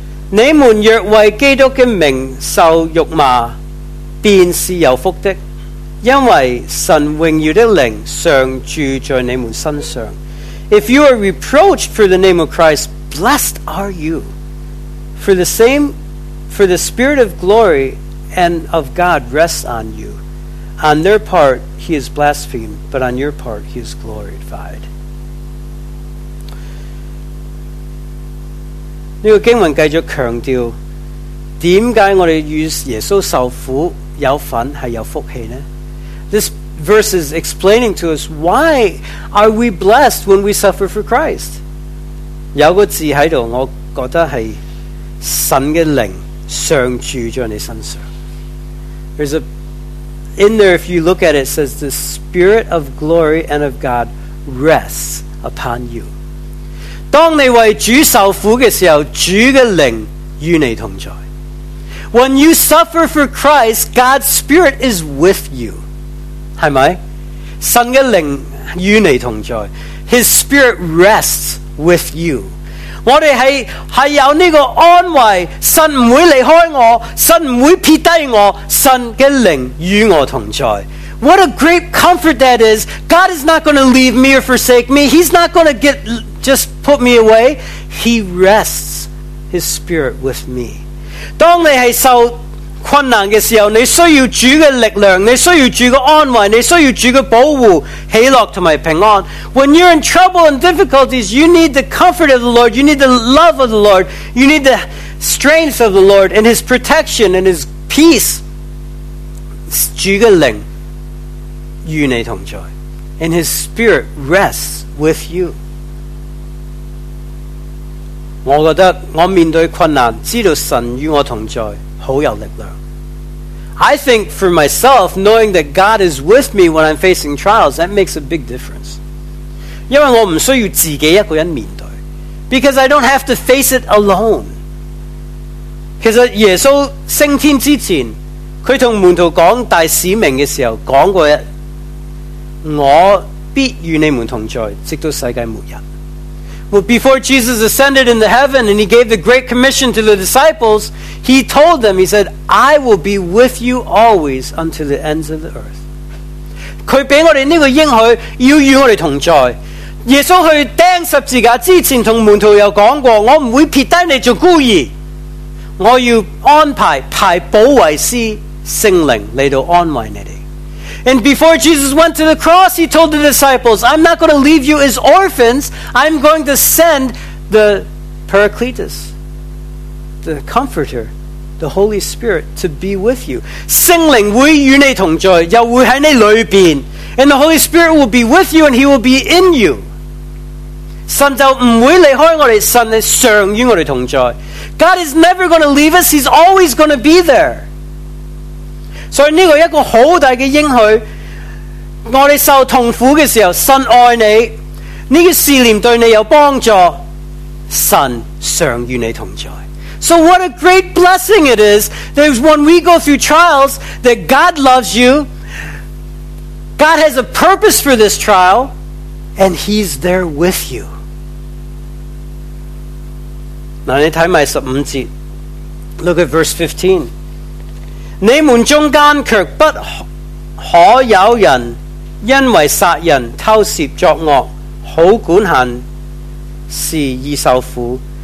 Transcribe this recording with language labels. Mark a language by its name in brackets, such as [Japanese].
[Chinese] 你们若为基督的名受辱骂，便是有福的，因为神荣耀的灵常住在你们身上。 [English] If you are reproached for the name of Christ, blessed are you. For the Spirit of glory and of God rests on you. On their part, He is blasphemed, but on your part, He is glorified. [Chinese] 这个经文继续强调，为什么我们用耶稣受苦有份是有福气呢？ [English] This verse is explaining to us, why are we blessed when we suffer for Christ? [Chinese] 有个字在这里，我觉得是神的灵常住在你身上。 [English] There's a in there, if you look at it, it says the Spirit of glory and of God rests upon you. [Chinese] 当你为主受苦的时候，主的灵与你同在。 [English] When you suffer for Christ, God's Spirit is with you. [Chinese] 是不是？神的灵与你同在。 [English] His Spirit rests with you. [Chinese] 我们 是有这个安慰，神不会离开我，神不会撇低我，神的灵与我同在。 [English] What a great comfort that is. God is not going to leave me or forsake me. He's not going to get just put me away. He rests his spirit with me. [Chinese] 当你是受困难的时候，你需要主的力量，你需要主的安慰，你需要主的保护，喜乐和平安。 [English] When you're in trouble and difficulties, you need the comfort of the Lord. You need the love of the Lord. You need the strength of the Lord and his protection and his peace. [Chinese] 主的灵与你同在， [English] and his spirit rests with you. [Chinese] 我觉得我面对困难，知道神与我同在，好有力量。 [English] I think for myself, knowing that God is with me when I'm facing trials, that makes a big difference. [Chinese] 因为我不需要自己一个人面对， [English] because I don't have to face it alone. [Chinese] 其实耶稣升天之前，他同门徒讲大使命的时候，讲过一我必与你们同在，直到世界末日。 [English] Well, before Jesus ascended into heaven and he gave the great commission to the disciples, he told them, he said, I will be with you always until the ends of the earth. [Chinese] 他给我们这个应许，要与我们同在。耶稣去钉十字架之前，同门徒又讲过，我不会撇低你做孤儿，我要安排派保惠师圣灵来到安慰你们。 [English] And before Jesus went to the cross, he told the disciples, I'm not going to leave you as orphans. I'm going to send the Paracletus, the Comforter, the Holy Spirit, to be with you. [Chinese] 圣灵会与你同在，又会在你里面。 [English] And the Holy Spirit will be with you and he will be in you. [Chinese] 神就不会离开我们，神是常与我们同在。 [English] God is never going to leave us. He's always going to be there. [Chinese] 所以这个一个很大的应许，我们受痛苦的时候，神爱你，这个试炼对你有帮助，神常与你同在。 [English] So what a great blessing it is that when we go through trials that God loves you, God has a purpose for this trial, and he's there with you. [Chinese] 那你看埋15节， [English] look at verse 15， [Chinese] 你们中间却不可有人因为杀人偷窃作恶好管闲事而受苦。